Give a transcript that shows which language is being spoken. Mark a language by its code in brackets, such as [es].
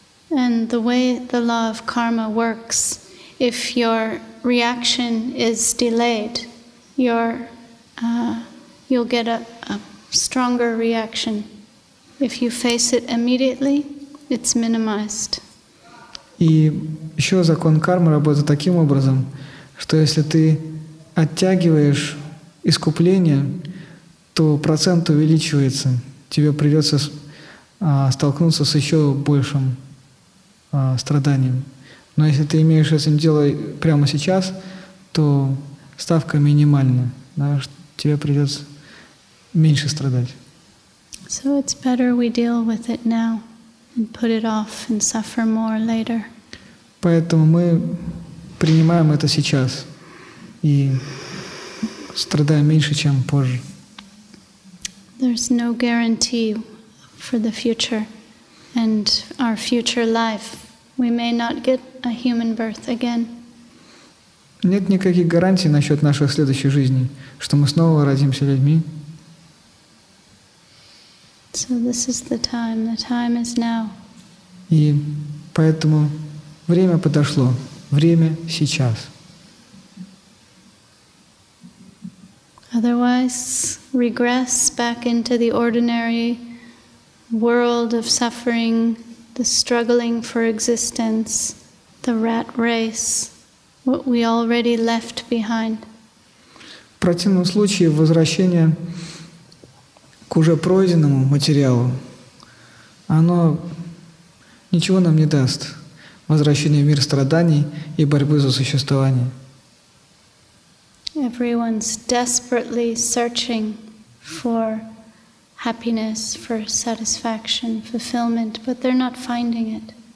[en] And the way the law of karma works, if your reaction is delayed, you'll get a stronger reaction. If you face it immediately, it's minimized. [ru] И еще закон кармы работает таким образом, что если ты оттягиваешь искупление, то процент увеличивается. Тебе придется столкнуться с еще большим страданием. Но если ты имеешь это дело прямо сейчас, то ставка минимальная. Тебе придется меньше страдать. [en] So it's better we deal with it now and put it off and suffer more later. [ru] Поэтому мы принимаем это сейчас и страдаем меньше, чем позже. [en] There's no guarantee for the future and our future life. We may not get a human birth again. [ru] Нет никаких гарантий насчет нашей следующей жизни, что мы снова родимся людьми. [en] So this is the time is now. [ru] И поэтому время подошло, время сейчас. [en] Otherwise, regress back into the ordinary world of suffering, the struggling for existence, the rat race, what we already left behind. [ru] В противном случае возвращение к уже пройденному материалу, оно ничего нам не даст. Возвращение в мир страданий и борьбы за существование. [en] Everyone's desperately searching for happiness, for satisfaction, fulfillment, but they're not finding it.